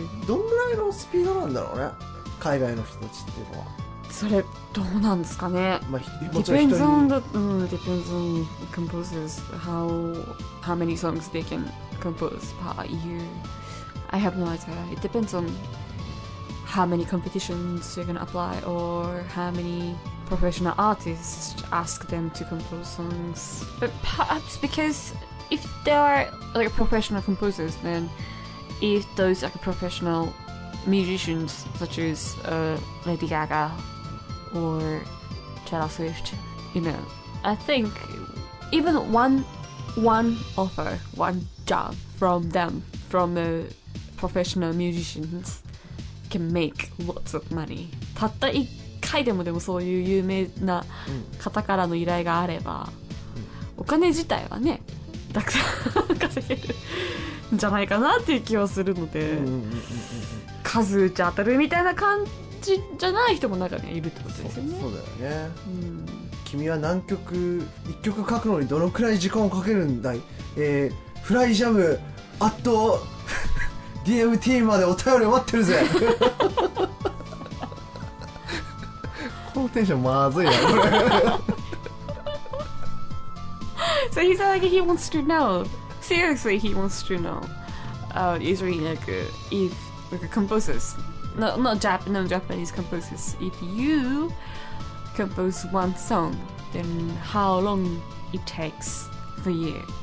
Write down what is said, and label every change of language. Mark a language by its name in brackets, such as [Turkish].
[Japanese] どんぐらいのスピードなんだろうね、海外の人たちっていうのは。それどうなんですかね。まあ、 [English] Depends on the, depends on composers how many songs they can compose per year. I have no idea. It depends on. How many competitions you're gonna apply, or how many professional artists ask them to compose songs? But perhaps because if there are like professional composers, then if those like professional musicians such as Lady Gaga or Taylor Swift, you know, I think even one offer, one job from them, from a professional musicians. Can make lots of money. [Japanese] たった一回でもそういう有名な方からの依頼があれば、お金自体はね、たくさん稼げるんじゃないかなっていう気はするので、数打ち当たるみたいな感じじゃない人も中にはいるってことですよね。そうだよね。君は何曲、一曲書くのにどのくらい時間をかけるんだい、フライジャムアットDMT までお便り待ってるぜこのテンションまずいな、これ。 [English] So he said like he wants to know. Seriously, he wants to know. Usually, like, if like composers, not Japanese composers, if you compose one song, then how long it takes for you?